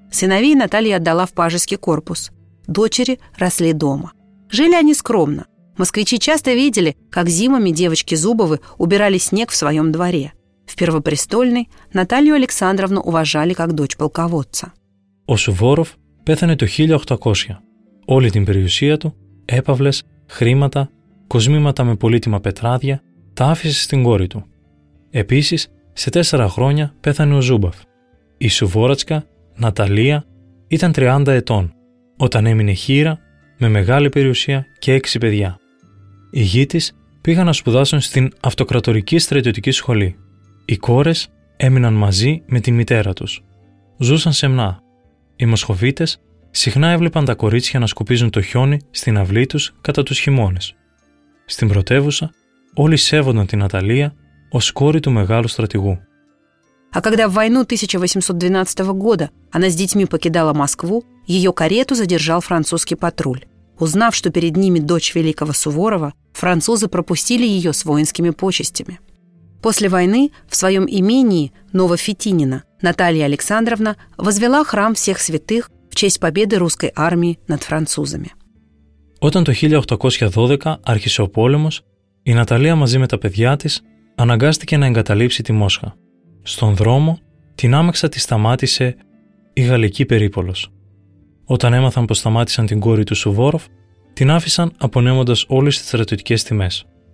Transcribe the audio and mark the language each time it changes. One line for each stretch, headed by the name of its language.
Russian: Сыновей Наталья отдала в пажеский корпус. Дочери росли дома. Жили они скромно. Москвичи часто видели, как зимами девочки Зубовы убирали снег в своем дворе. В Первопрестольной Наталью Александровну уважали как дочь полководца.
Greek: Ο Σουβόροφ πέθανε το 1800. Όλη την περιουσία του, έπαυλες, χρήματα, κοσμήματα με πολύτιμα πετράδια, τα άφησε στην κόρη του. Επίσης, σε 4 χρόνια πέθανε ο Ζούμπαφ. Η Σουβόρατσκα, Ναταλία, ήταν 30 ετών, όταν έμεινε χείρα, με μεγάλη περιουσία και 6 παιδιά. Οι γη της πήγαν να σπουδάσουν στην Αυτοκρατορική Στρατιωτική Σχολή. Οι κόρες έμειναν μαζί με την μητέρα τους. Ζούσαν σεμνά. Οι Μοσχοβίτες συχνά έβλεπαν τα κορίτσια να σκουπίζουν το χιόνι στην αυλή τους κατά τους χειμώνες. Στην πρωτεύουσα, όλοι σέβονταν την Ναταλία ως κόρη του μεγάλου στρατηγού.
Russian: А когда в войну 1812 года она с детьми покидала Москву, ее карету задержал французский патруль. Узнав, что перед ними дочь великого Суворова, французы пропустили ее с воинскими почестями. После войны в своем имении Новофитинино Наталья Александровна возвела храм всех святых в честь победы русской армии над французами.
Greek: Όταν το 1812 άρχισε ο πόλεμος, η Ναταλία μαζί με τα παιδιά της αναγκάστηκε να εγκαταλείψει τη Μόσχα. Στον δρόμο, την άμαξα τη σταμάτησε η γαλλική περίπολος. Όταν έμαθαν πως σταμάτησαν την κόρη του Σουβόροφ, την άφησαν απονέμοντας όλες τις στρατιωτικές τιμές.